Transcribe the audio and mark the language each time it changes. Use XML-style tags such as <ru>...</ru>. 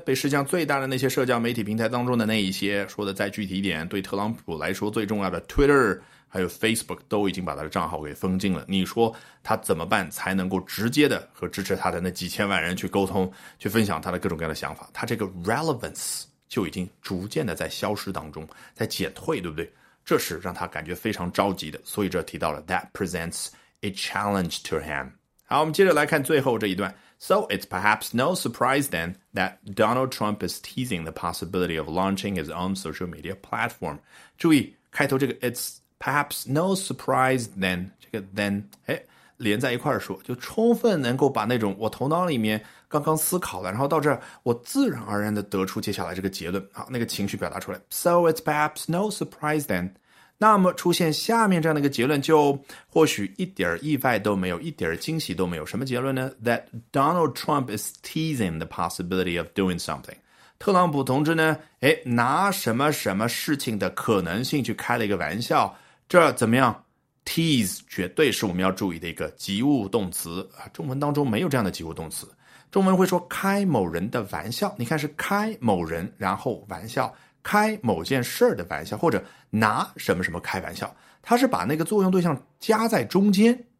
<zh>被世界上最大的那些社交媒体平台当中的那一些，说的再具体一点，对特朗普来说最重要的 Twitter 还有 Facebook 都已经把他的账号给封禁了。你说他怎么办才能够直接的和支持他的那几千万人去沟通，去分享他的各种各样的想法？他这个 relevance 就已经逐渐的在消失当中，在减退，对不对？这是让他感觉非常着急的，所以这提到了</zh> <en>That presents a challenge to him。</en> <zh>好，我们接着来看最后这一段。</zh> <en>So it's perhaps no surprise then that Donald Trump is teasing the possibility of launching his own social media platform.</en> <zh>注意开头这个</zh> <en>it's perhaps no surprise then,</en> <zh>这个 then, 连在一块儿说，就充分能够把那种我头脑里面刚刚思考了，然后到这儿我自然而然的得出接下来这个结论，好，那个情绪表达出来。</zh> <en>So it's perhaps no surprise then.</en> <zh>那么出现下面这样的一个结论就或许一点意外都没有，一点惊喜都没有。什么结论呢？</zh> <en>That Donald Trump is teasing the possibility of doing something.</en> <zh>特朗普同志呢，拿什么什么事情的可能性去开了一个玩笑。这怎么样？ Tease 绝对是我们要注意的一个及物动词，中文当中没有这样的及物动词。中文会说开某人的玩笑，你看是开某人然后玩笑，开某件事的玩笑，或者拿什么什么开玩笑，他是把那个作用对象加在中间。</zh>